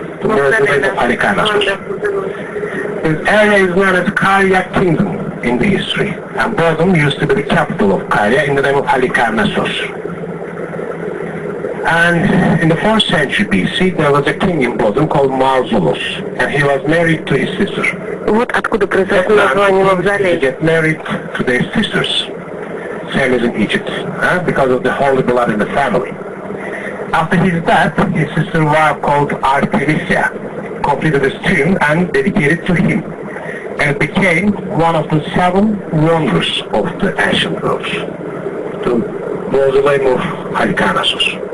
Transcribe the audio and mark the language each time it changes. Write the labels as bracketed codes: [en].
[en] The mausoleum of Halicarnassos. This area is known as Karya Kingdom in the history, and Bordeaux used to be the capital of Karya in the name of Halicarnassos. And in the 4th century BC, there was a king in Bordeaux called Mausolus, and he was married to his sister. [ru] Вот откуда произошло название мавзолей. [en] They get married to their sisters, same as in Egypt, because of the holy blood in the family. After his death, his sister wife called Artemisia completed his tomb and dedicated to him, and it became one of the seven wonders of the ancient world, the mausoleum of Halicarnassos.